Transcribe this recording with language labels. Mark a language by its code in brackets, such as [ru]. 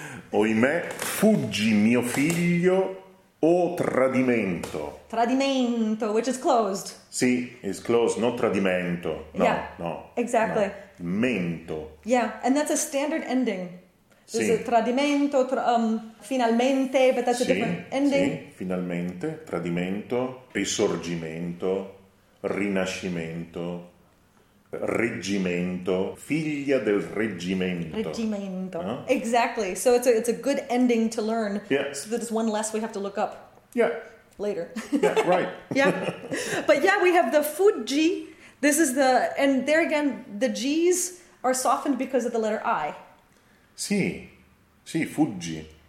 [it] Oimè, fuggi mio figlio, o tradimento. [en] Tradimento, which is closed. Sì, it's closed, not tradimento. No, yeah, no. Exactly. [it] No. Mento. [en] Yeah, and that's a standard ending. There's a tradimento, finalmente, but that's a different ending. [it] Sì, finalmente, tradimento, risorgimento, rinascimento, reggimento, figlia del reggimento. Reggimento, no? [en] Exactly. So it's a good ending to learn. Yeah. So that it's one less we have to look up. Yeah. Later. Yeah, right. Yeah. But yeah, we have the fuggi. This is the, and there again, the G's are softened because of the letter I. [it] Sì, sì, fuggi.